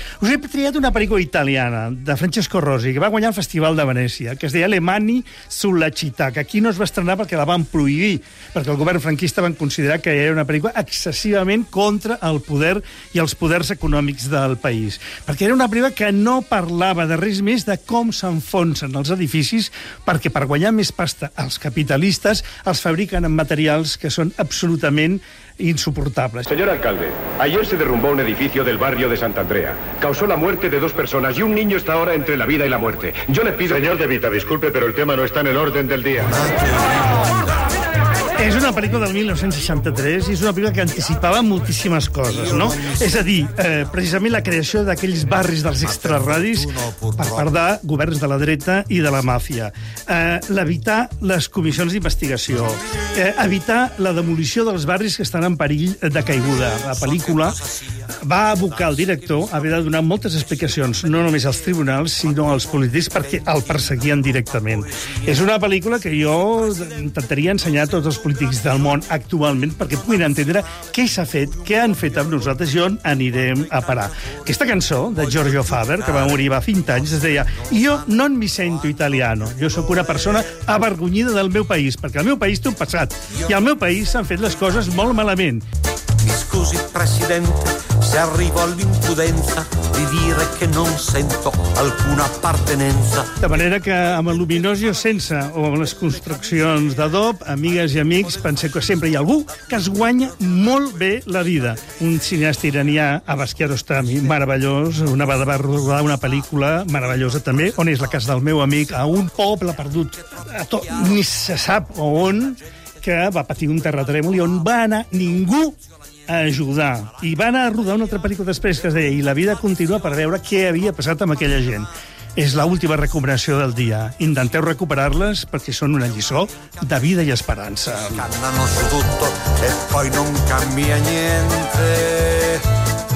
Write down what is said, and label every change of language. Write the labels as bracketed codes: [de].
[ca] Us he triat una pel·lícula italiana, de Francesco Rosi, que va guanyar el Festival de Venècia, que es deia Le Mani sulla città, que aquí no es va estrenar perquè la van prohibir, perquè el govern franquista van considerar que era una pel·lícula excessivament contra el poder i els poders econòmics del país. Perquè era una pel·lícula que no parlava de res més de com s'enfonsen els edificis, perquè per guanyar més pasta els capitalistes els fabriquen amb materials que són absolutament insuportables. [es] Señor alcalde, ayer se derrumbó un edificio del barrio de Santa Andrea. Causó la muerte de dos personas y un niño está ahora entre la vida y la muerte. Yo le pido... Señor De Vita, disculpe, pero el tema no está en el orden del día. [ca] És una pel·lícula del 1963 i és una pel·lícula que anticipava moltíssimes coses, no? És a dir, precisament la creació d'aquells barris dels extraradis per part de governs de la dreta i de la màfia. Evitar les comissions d'investigació. Evitar la demolició dels barris que estan en perill de caiguda. La pel·lícula va abocar el director a haver de donar moltes explicacions, no només als tribunals, sinó als polítics, perquè el perseguien directament. És una pel·lícula que jo intentaria ensenyar a tots els polítics del món actualment perquè puguin entendre què s'ha fet, què han fet amb nosaltres i on anirem a parar. Aquesta cançó de Giorgio Faber, que va morir fa 20 anys, es deia "Io non mi sento italiano". Jo sóc una persona avergonyida del meu país, perquè el meu país té un passat i al meu país s'han fet les coses molt malament. [it] Mi scusi, presidente, se arrivo all'imprudenza di dire che non sento alcuna appartenenza. [ca] De manera que amb el luminós o sense, o amb les construccions d'Adobe, amigues i amics, penseu que sempre hi ha algú que es guanya molt bé la vida. Un cineasta iranià, Abbasquiat Ostami, meravellós, una vegada va rodar una pel·lícula meravellosa també, on és la casa del meu amic, a un poble perdut, a tot, ni se sap on, que va patir un terratrèmol i on va anar ningú a ajudar. I va anar a rodar una altra pel·lícula després que es deia "I la vida continua" per veure què havia passat amb aquella gent. És l'última recuperació del dia. Intenteu recuperar-les perquè són una lliçó de vida i esperança. [it] Cannano tutto e poi non cambia niente.